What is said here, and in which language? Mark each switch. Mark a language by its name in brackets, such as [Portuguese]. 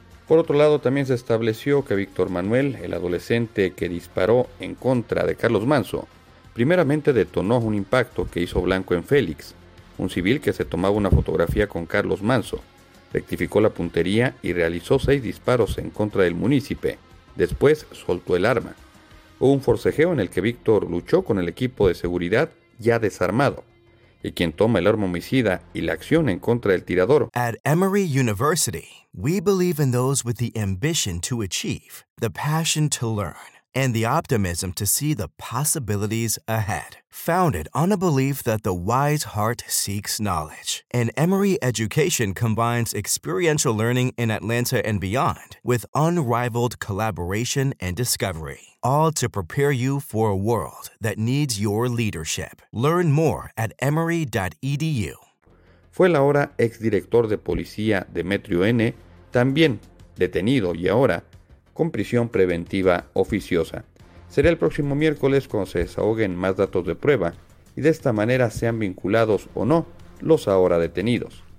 [Spanish] Por otro lado, también se estableció que Víctor Manuel, el adolescente que disparó en contra de Carlos Manso, primeramente detonó un impacto que hizo blanco en Félix, un civil que se tomaba una fotografía con Carlos Manso, rectificó la puntería y realizó 6 disparos en contra del munícipe. Después soltó el arma. Hubo un forcejeo en el que Víctor luchó con el equipo de seguridad ya desarmado. Y quien toma el arma homicida y la acción en contra del tirador. [English] At Emory University, we believe in those with the ambition to achieve, the passion to learn, and the optimism to see the possibilities ahead. Founded on a belief that the wise heart seeks knowledge, an Emory education combines experiential learning in Atlanta and beyond with unrivaled collaboration and discovery, all to prepare you for a world that needs your leadership. Learn more at emory.edu. [Spanish] Fue el ahora exdirector de policía Demetrio N., también detenido y ahora con prisión preventiva oficiosa. Será el próximo miércoles cuando se desahoguen más datos de prueba y de esta manera sean vinculados o no los ahora detenidos.